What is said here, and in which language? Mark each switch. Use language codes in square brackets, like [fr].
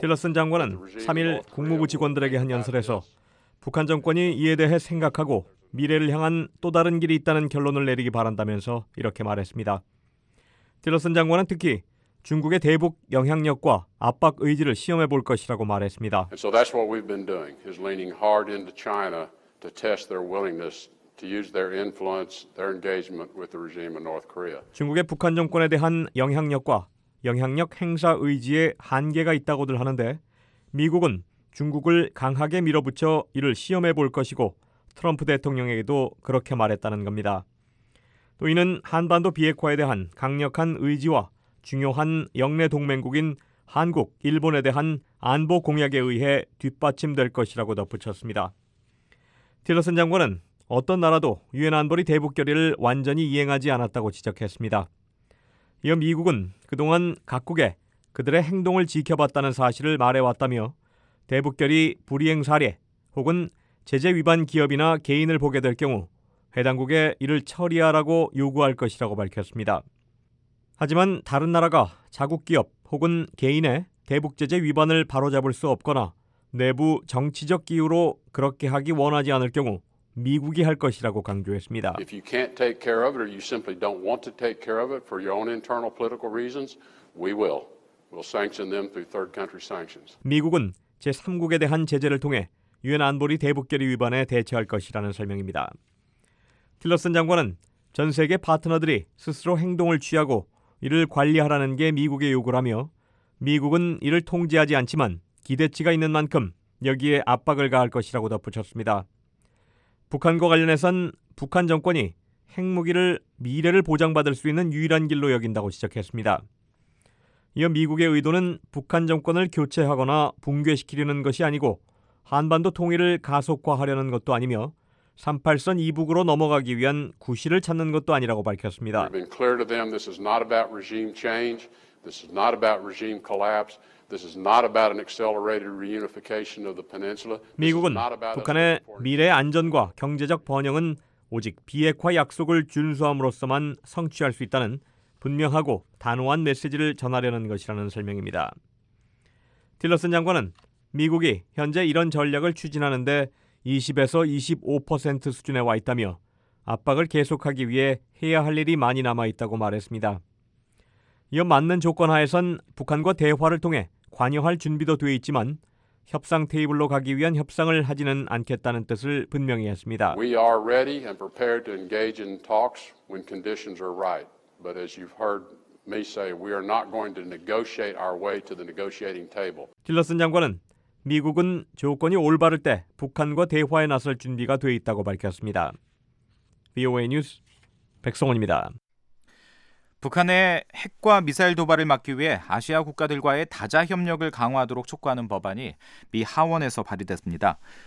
[ko] 틸러슨 장관은 3일 국무부 직원들에게 한 연설에서 북한 정권이 이에 대해 생각하고 미래를 향한 또 다른 길이 있다는 결론을 내리기 바란다면서 이렇게 말했습니다. 틸러슨 장관은 특히 중국의 대북 영향력과 압박 의지를 시험해 볼 것이라고 말했습니다. [en] And so that's what we've been doing. Is leaning hard into China to test their willingness to use their influence, their engagement with the regime of North Korea. [ko] 중국의 북한 정권에 대한 영향력과 영향력 행사 의지에 한계가 있다고들 하는데 미국은 중국을 강하게 밀어붙여 이를 시험해 볼 것이고 트럼프 대통령에게도 그렇게 말했다는 겁니다. 또 이는 한반도 비핵화에 대한 강력한 의지와 중요한 영내 동맹국인 한국, 일본에 대한 안보 공약에 의해 뒷받침될 것이라고 덧붙였습니다. 틸러슨 장관은 어떤 나라도 유엔 안보리 대북 결의를 완전히 이행하지 않았다고 지적했습니다. 이어 미국은 그동안 각국에 그들의 행동을 지켜봤다는 사실을 말해왔다며 대북결의 불이행 사례 혹은 제재 위반 기업이나 개인을 보게 될 경우 해당국에 이를 처리하라고 요구할 것이라고 밝혔습니다. 하지만 다른 나라가 자국 기업 혹은 개인의 대북 제재 위반을 바로잡을 수 없거나 내부 정치적 기유로 그렇게 하기 원하지 않을 경우 미국이 할 것이라고 강조했습니다. [en] If you can't take care of it or you simply don't want to take care of it for your own internal political reasons, we will. We'll sanction them through third country sanctions. [ko] 미국은 제3국에 대한 제재를 통해 유엔 안보리 대북결의 위반에 대처할 것이라는 설명입니다. 틸러슨 장관은 전 세계 파트너들이 스스로 행동을 취하고 이를 관리하라는 게 미국의 요구라며 미국은 이를 통제하지 않지만 기대치가 있는 만큼 여기에 압박을 가할 것이라고 덧붙였습니다. 북한과 관련해선 북한 정권이 핵무기를 미래를 보장받을 수 있는 유일한 길로 여긴다고 지적했습니다. 이어 미국의 의도는 북한 정권을 교체하거나 붕괴시키려는 것이 아니고 한반도 통일을 가속화하려는 것도 아니며 38선 이북으로 넘어가기 위한 구실을 찾는 것도 아니라고 밝혔습니다. [en] We've been clear to them this is not about regime change. This is not about regime collapse. This is not about an accelerated reunification of the peninsula. [ko] 미국은 북한의 미래 안전과 경제적 번영은 오직 비핵화 약속을 준수함으로써만 성취할 수 있다는 분명하고 단호한 메시지를 전하려는 것이라는 설명입니다. 틸러슨 장관은 미국이 현재 이런 전략을 추진하는데 20에서 25% 수준에 와 있다며 압박을 계속하기 위해 해야 할 일이 많이 남아 있다고 말했습니다. 이어 맞는 조건 하에선 북한과 대화를 통해 관여할 준비도 돼 있지만 협상 테이블로 가기 위한 협상을 하지는 않겠다는 뜻을 분명히 했습니다. [en] We are ready and prepared to engage in talks when conditions are right. But as you've heard me say, we are not going to negotiate our way to the negotiating table. [ko] 틸러슨 장관은 미국은 조건이 올바를 때 북한과 대화에 나설 준비가 돼 있다고 밝혔습니다. VOA 뉴스 백성원입니다. 북한의 핵과 미사일 도발을 막기 위해 아시아 국가들과의 다자 협력을 강화하도록 촉구하는 법안이 미 하원에서 발의됐습니다.